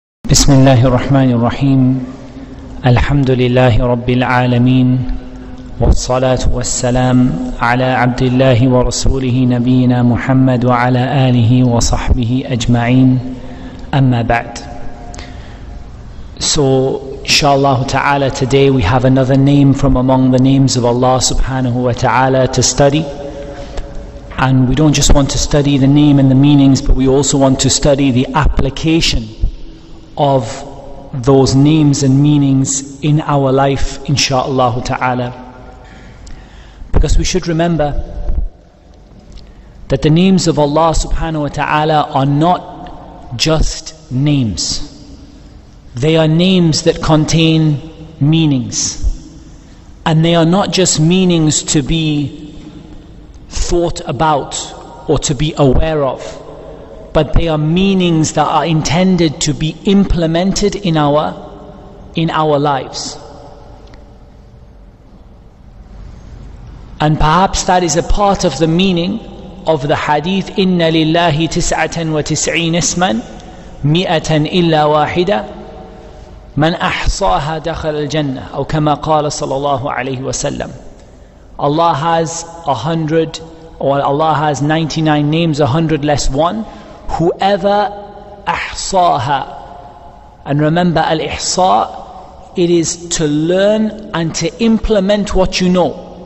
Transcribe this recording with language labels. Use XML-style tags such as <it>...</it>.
<ar>بسم الله الرحمن الرحيم الحمد لله رب العالمين والصلاة والسلام على عبد الله ورسوله نبينا محمد وعلى آله وصحبه أجمعين أما بعد.</ar> <en>So inshallah ta'ala, today we have another name from among the names of Allah subhanahu wa ta'ala to study. And we don't just want to study the name and the meanings, but we also want to study the application of those names and meanings in our life, insha'Allah ta'ala. Because we should remember that the names of Allah subhanahu wa ta'ala are not just names. They are names that contain meanings. And they are not just meanings to be thought about or to be aware of, but they are meanings that are intended to be implemented in our lives. And perhaps that is a part of the meaning of the hadith,</en> <ar>إِنَّ لِلَّهِ تِسْعَةً وَتِسْعِينَ اسْمًا مِئَةً إِلَّا وَاحِدًا مَنْ أَحْصَاهَا دَخَلَ الْجَنَّةِ أو كَمَا قَالَ صَلَى اللَّهُ عَلَيْهِ وَسَلَّمْ.</ar> <en>Allah has 100, or Allah has 99 names, 100 less one. Whoever ahsaha, and remember al-ihsa, it is to learn and to implement what you know.</en>